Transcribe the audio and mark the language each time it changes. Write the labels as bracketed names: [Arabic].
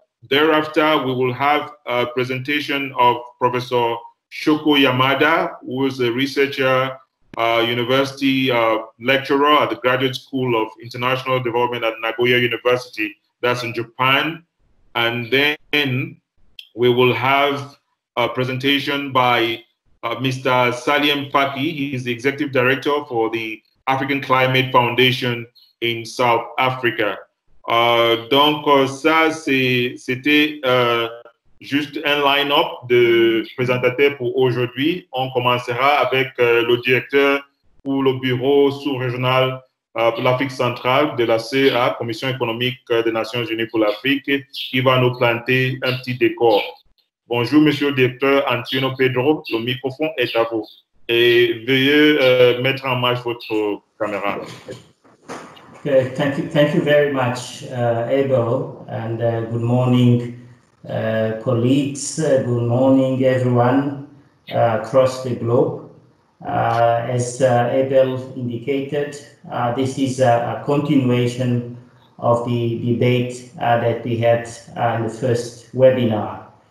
[English] Thereafter, we will have a presentation of Professor Shoko Yamada, who is a researcher, university lecturer at the Graduate School of International Development at Nagoya University, that's in Japan. And then we will have a presentation by Mr. Salim Faki. He is the executive director for the African Climate Foundation in South Africa. [French] Donc ça, c'était... juste un line-up de présentateurs pour aujourd'hui. On commencera avec le directeur pour le bureau sous-régional pour l'Afrique centrale de la CEA, Commission économique des Nations unies pour l'Afrique, qui va nous planter un petit décor. Bonjour, monsieur le directeur Antonio Pedro, le microphone est à vous. Et veuillez mettre en marche votre caméra. [English] Thank you very much, Abel, and good morning. Colleagues, good morning everyone across the globe. As Abel indicated, this is a continuation of the debate that we had in the first webinar.